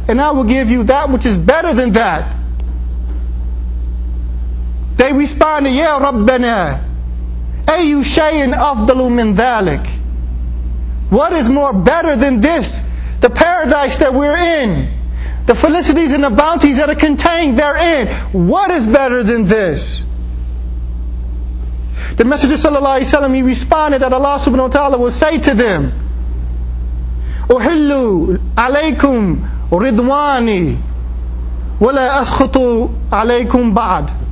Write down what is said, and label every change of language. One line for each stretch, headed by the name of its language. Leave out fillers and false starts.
English: And I will give you that which is better than that. They responded,
Arabic: "Ya Rabbana, أَيُّ شَيْءٍ أَفْضَلُ مِنْ ذَلِكَ."
English: What is more better than this? The paradise that we're in, the felicities and the bounties that are contained therein. What is better than this? The Messenger sallallahu alaihi wasallam, he responded that Allah subhanahu wa ta'ala will say to them,
Arabic: "Uhillu alaykum ridwani wa la askhutu alaykum ba'd."